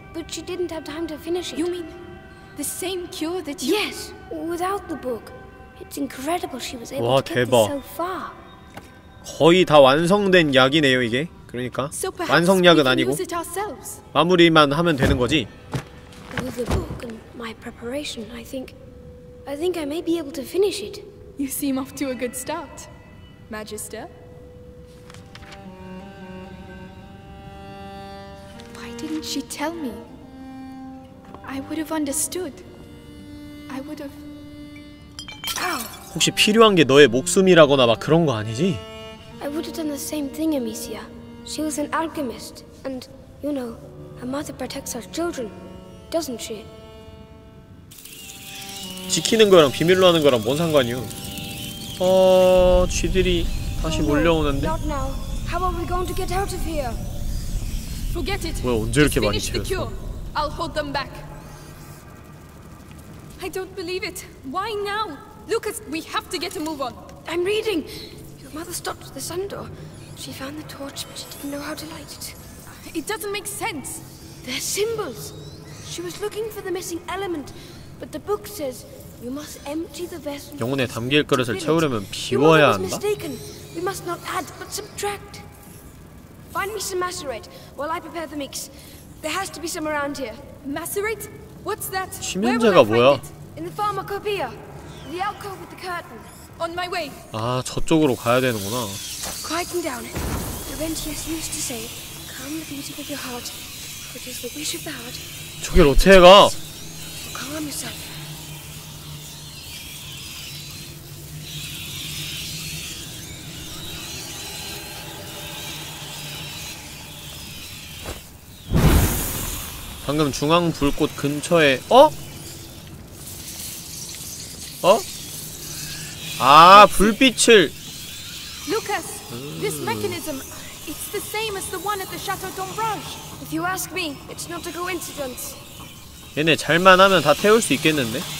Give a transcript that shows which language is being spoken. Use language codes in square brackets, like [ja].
[en] But she didn't have time to finish it. You mean the same cure that you... Yes, without the book. It's incredible she was able 와, to get [ko] 대박. [en] This so far. [ko] 거의 다 완성된 약이네요, 이게. 그러니까. [en] So [ko] 완성약은 아니고. 마무리만 하면 되는 거지. [en] With the book and my preparation, I think I may be able to finish it. You seem off to a good start, Magister. Didn't she tell me? I would have understood. I would have. Ow! [ko] 혹시 필요한 게 너의 목숨이라거나 막 그런 거 아니지? [en] I would have done the same thing, Amicia. She was an alchemist, and you know, a mother protects her children, doesn't she? [ko] 지키는 거랑 비밀로 하는 거랑 뭔 상관이요? 어, 쥐들이 다시 몰려오는데. [en] Not now. How are we going to get out of here? Forget it. [ko] 왜 언제 이렇게 많이 채웠어? [en] I'll hold them back. I don't believe it. Why now? Lucas, we have to get a move on. I'm reading. You Mother stopped at the sun door. She found the torch, but she didn't know how to light it. It doesn't make sense. They're symbols. She was looking for the missing element, but the book says you must empty the vessel. [ko] 영혼에 담길 그릇을 채우려면 비워야 한다. [en] We must not add, but subtract. Find me some macerate while I prepare the mix. There has to be some around here. Macerate? What's that? [ko] 침연자가 뭐야? [en] In the pharmacopoeia. The alcove with the curtain. On my way. [ko] 아, 저쪽으로 가야 되는구나. [en] Quieting down. Laurentius used to say, calm the beating of your heart. It is the wish of the heart. [ko] 저게 로체가? [en] Calm yourself. [ko] 방금 중앙 불꽃 근처에 어? 어? 아, 불빛을 [en] Lucas, this mechanism, it's the same as the one at the Chateau d'Ombrage. If you ask me, it's not a coincidence. [ko] 얘네 잘만 하면 다 태울 수 있겠는데?